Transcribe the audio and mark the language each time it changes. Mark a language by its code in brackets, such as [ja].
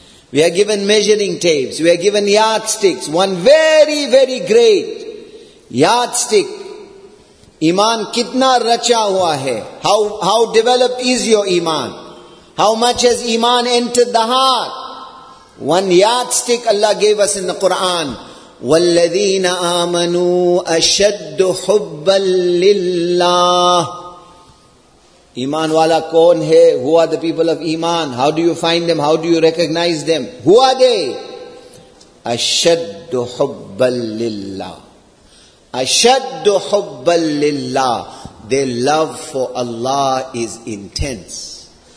[en] We are given measuring tapes. We are given yardsticks. One very, very great yardstick. [ur] Iman kitna racha hua hai. [en] How developed is your iman? How much has iman entered the heart? One yardstick Allah gave us in the Quran. [ar] وَالَّذِينَ آمَنُوا أَشَدُّ حُبَّا لِلَّهِ [ur] Iman wala kaun hai? [en] Who are the people of Iman? How do you find them? How do you recognize them? Who are they? [ar] أَشَدُّ حُبَّا لِلَّهِ أَشَدُّ حُبَّا لِلَّهِ [en] Their love for Allah is intense.